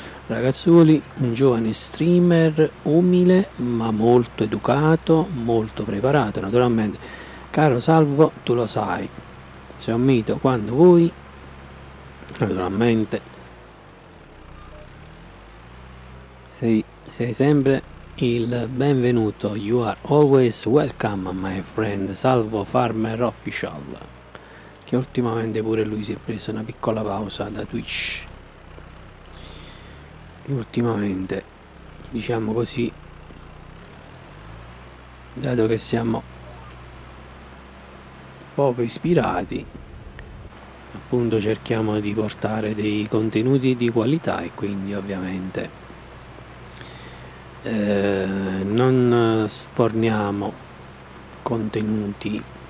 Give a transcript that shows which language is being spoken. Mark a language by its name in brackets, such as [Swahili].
[Italian] Ragazzuoli, un giovane streamer umile ma molto educato, molto preparato. Naturalmente, caro Salvo, tu lo sai, sei un mito quando vuoi, Naturalmente. Sei sempre il benvenuto. [English] You are always welcome, my friend. [Italian] Salvo Farmer Official, che ultimamente pure lui si è preso una piccola pausa da Twitch. E ultimamente, diciamo così, dato che siamo poco ispirati, appunto cerchiamo di portare dei contenuti di qualità, e quindi ovviamente non sforniamo contenuti